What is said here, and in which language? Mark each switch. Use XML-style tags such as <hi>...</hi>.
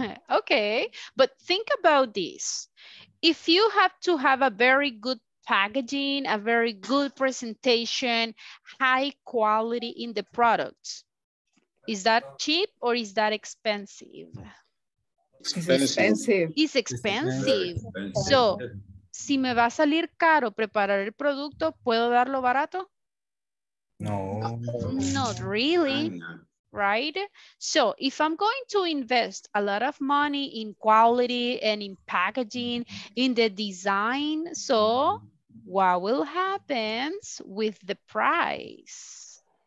<en>Okay, but think about this. If you have to have a very good packaging, a very good presentation, high quality in the product, is that cheap or is that expensive? It's expensive.</en> <es>So, si me va a salir caro preparar el producto, ¿puedo darlo barato?</es> <en>No, not really, right? So if I'm going to invest a lot of money in quality and in packaging, in the design, so what will happen with the price?</en>